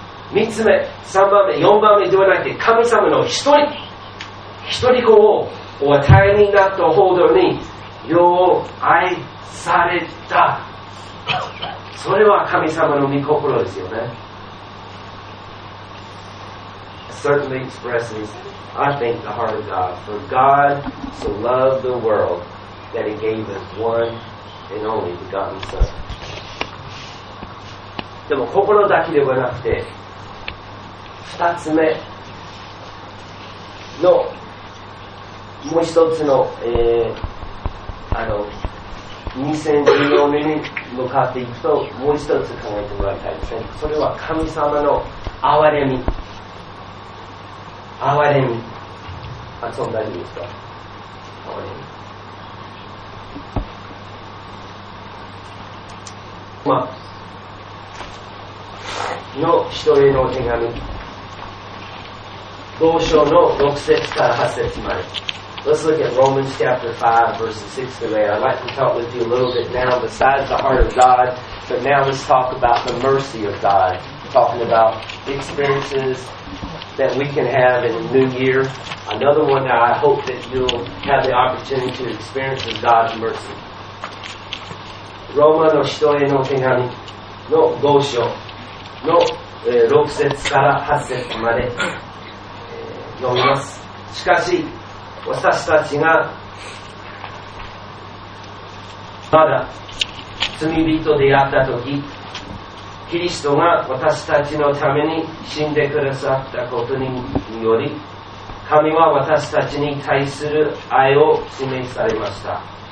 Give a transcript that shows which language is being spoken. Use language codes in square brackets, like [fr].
[ja] 三つ目、三番目、四番目ではなくて、神様の一人、一人子をお与えになったほどによう愛された。それは神様の御心ですよね。 [en] Certainly expresses, I think, the heart of God. For God so loved the world that He gave His one and only begotten Son. [ja] でも心だけではなくて、二つ目のもう一つの、2014年に向かっていくと、もう一つ考えてもらいたいですね。それは神様の憐れみ。憐れみ。発音大丈夫ですか。はい、まあの一人の手紙5章の6節から8節まで。 [en] Let's look at Romans chapter 5, verses 6 to 8. I'd like to talk with you a little bit now besides the heart of God, but now let's talk about the mercy of God. Talking about experiences that we can have in a new year. Another one that I hope that you'll have the opportunity to experience is God's mercy. [ja] Roma の人への手紙の5章の6節から8節まで読みます。しかし、私たちが神の愛を知っています。私たちがまだ罪人であったとき、キリストが私たちのために死んでくださったことにより、神は私たちに対する愛を示されました。